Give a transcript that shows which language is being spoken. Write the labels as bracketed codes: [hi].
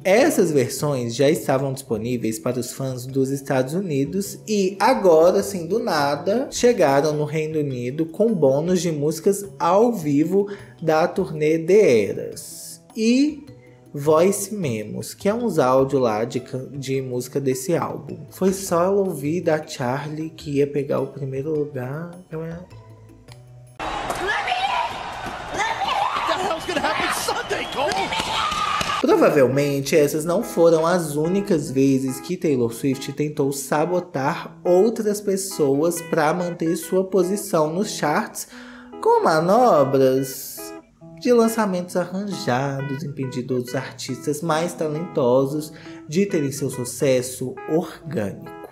[pt] Essas versões já estavam disponíveis para os fãs dos Estados Unidos e agora, assim, do nada, chegaram no Reino Unido com bônus de músicas ao vivo da turnê The Eras. E Voice Memos, que é uns áudios lá de música desse álbum. Foi só eu ouvir da Charlie que ia pegar o primeiro lugar. [en] Let me in! Let me in! What the hell's gonna happen Sunday, Cole? [pt] Provavelmente essas não foram as únicas vezes que Taylor Swift tentou sabotar outras pessoas pra manter sua posição nos charts com manobras de lançamentos arranjados, impedindo outros artistas mais talentosos de terem seu sucesso orgânico.